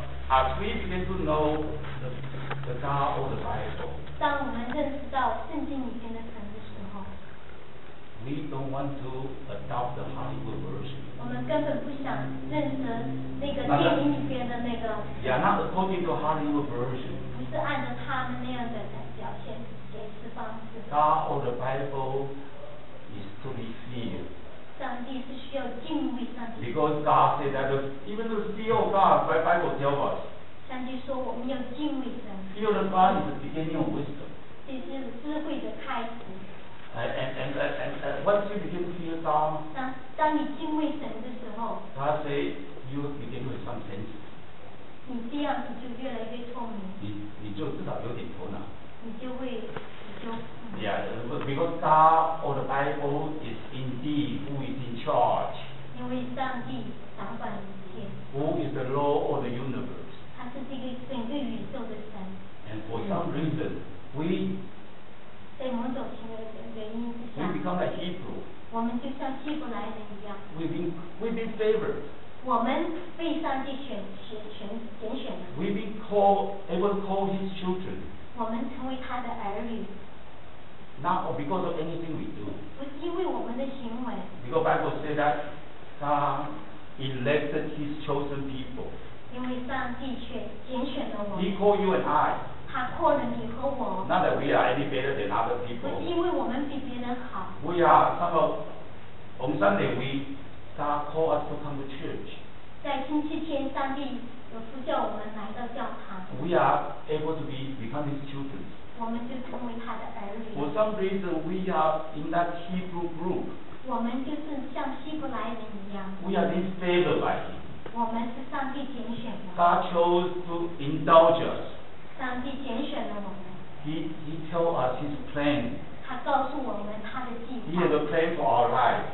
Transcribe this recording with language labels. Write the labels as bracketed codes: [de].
[en] I think very often now, as we begin to know the God of the Bible, [zh] 当我们认识到圣经里面的神的时候， [en] we don't want to adopt the Hollywood version. [zh] 我们根本不想认识那个电影里面的那个。 [en] Yeah, not according to Hollywood version. [zh] 不是按照他们那样的表现解释方式。 [en] God of the Bible is to be feared. Because God said that even the fear of God, the Bible tells us. [zh] 上帝说我们要敬畏神。 [en] Fear of God is the beginning of wisdom. [zh] 这是智慧的开始。 [en] And once you begin to fear God, [zh] 当你敬畏神的时候， [en] God said you begin with some sense. [zh] 你这样子就越来越聪明。你就至少有点头脑。你就 [en] because God or the Bible is indeed who is in charge. [zh] 因为上帝掌管一切。 [en] Who is the Lord of the universe? [zh] 他是这个整个宇宙的神。 [en] And for some reason, we [zh] 在某种情况原因之下 [en] we become like Hebrew. [zh] 我们就像希伯来人一样。 [en] We've been favored. [zh] 我们被上帝拣选了。 [en] We've been called, able to call His children. [zh] 我们成为他的儿女。 [en] Not because of anything we do. [zh] 不是因为我们的行为。 [en] Because Bible says that God elected His chosen people. [zh] 因为上帝拣选了我们。 [en] He called you and I. [zh] 他括了你和我。 [en] Not that we are any better than other people. [zh] 不是因为我们比别人好。 [en] We are somehow, on Sunday we. God called us to come to church. [zh] 在星期天，上帝有呼叫我们来到教堂。 [en] We are able to become His children. [zh] 我们就成为他的儿女。 [en] For some reason, we are in that Hebrew group. [zh] 我们就是像希伯来人一样。 [en] We are being favored by Him. [zh] 我们是上帝拣选的。 [en] God chose to indulge us. [zh] 上帝拣选了我们。 [en] He told us his plan. [zh] 他告诉我们他的计划。 [en] He has a plan for our life.